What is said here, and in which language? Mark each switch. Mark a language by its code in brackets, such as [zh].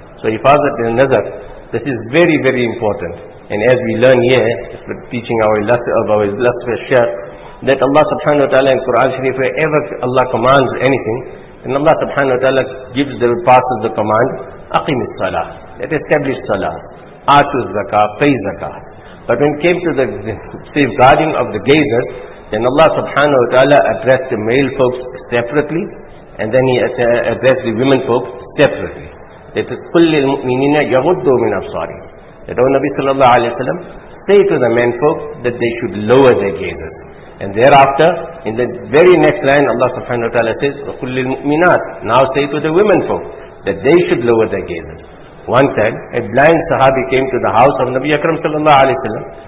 [en] So he falls at the nazar. This is very, very important. And as we learn here, the teaching of our illustrious Shaykh, that Allah subhanahu wa ta'ala in Quran Sharif, wherever Allah commands anything, and Allah subhanahu wa ta'ala gives the parts of the command, [ar] أقم الصلاة, [en] that establish salah, [ar] آتو الزكاة, [en] pay zakah. But when it came to the safeguarding of the gazers, then Allah subhanahu wa ta'ala addressed the male folks separately, and then he addressed the women folks separately. That is, [ar] قل للمؤمنين يغضوا من أبصارهم. [en] That our Nabi sallallahu alayhi wa sallam say to the men folks that they should lower their gazers. And thereafter, in the very next line, Allah subhanahu wa ta'ala says, [ar] قل للمؤمنات. [en] Now say to the women folks that they should lower their gazers. One time, a blind sahabi came to the house of Nabi Akram sallallahu alayhi wa sallam.